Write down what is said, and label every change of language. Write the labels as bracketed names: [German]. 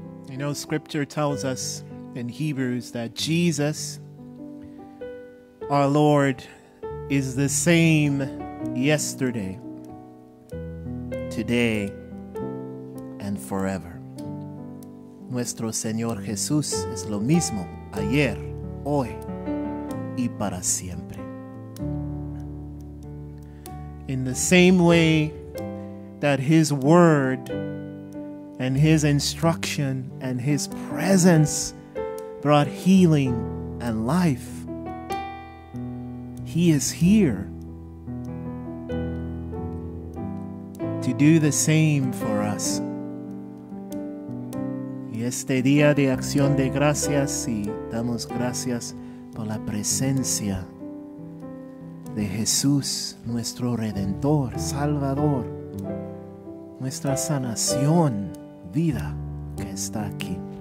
[English] You know, Scripture tells us in Hebrews that Jesus, our Lord, is the same yesterday, today, and forever. [Spanish] Nuestro Señor Jesús es lo mismo ayer, hoy, y para siempre. [English] In the same way that His Word and His instruction and His presence brought healing and life, He is here to do the same for us. [Spanish] Y este día de acción de gracias, y damos gracias por la presencia de Jesús, nuestro Redentor, Salvador, nuestra sanación, vida que está aquí.